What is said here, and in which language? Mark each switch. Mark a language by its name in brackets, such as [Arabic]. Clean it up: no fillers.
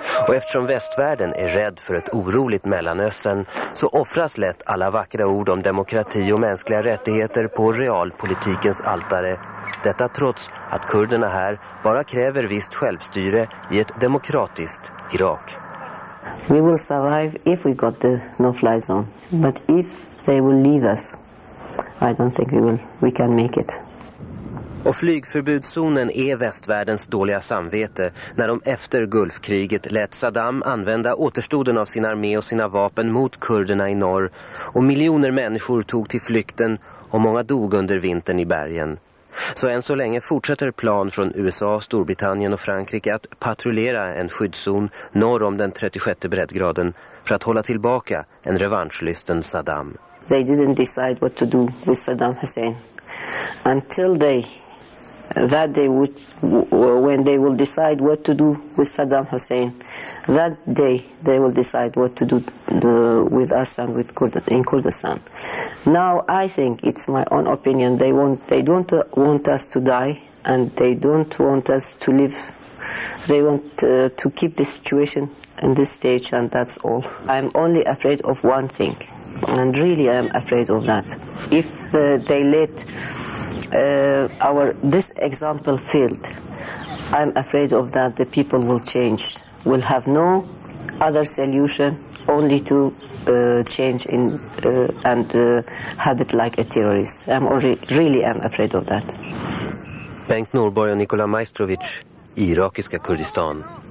[Swedish] Och eftersom västvärlden är rädd för ett oroligt Mellanöstern, så offras lätt alla vackra ord om demokrati och mänskliga rättigheter på realpolitikens altare. Detta trots att kurderna här bara kräver visst självstyre i ett demokratiskt Irak. [English] We will survive if we got the no-fly zone, but if they will leave us, I don't think we can make it. [Swedish] Och flygförbudszonen är västvärldens dåliga samvete när de efter Gulfkriget lät Saddam använda återstoden av sin armé och sina vapen mot kurderna i norr. Och miljoner människor tog till flykten och många dog under vintern i bergen. Så än så länge fortsätter plan från USA, Storbritannien och Frankrike att patrullera en skyddszon norr om den 36:e breddgraden för att hålla tillbaka en revanschlysten Saddam. [English] They didn't decide what to do with Saddam Hussein until they... That day, when they will decide what to do with Saddam Hussein, that day they will decide what to do with us and with in Kurdistan. Now, I think it's my own opinion. They don't want us to die, and they don't want us to live. They want to keep the situation in this stage, and that's all. I'm only afraid of one thing, and really I am afraid of that. If they let this example failed, I'm afraid of that the people will change, will have no other solution, only to change in and habit like a terrorist. I'm afraid of that. [Swedish] Bengt Norborg och Nikola Majstrovic, irakiska Kurdistan.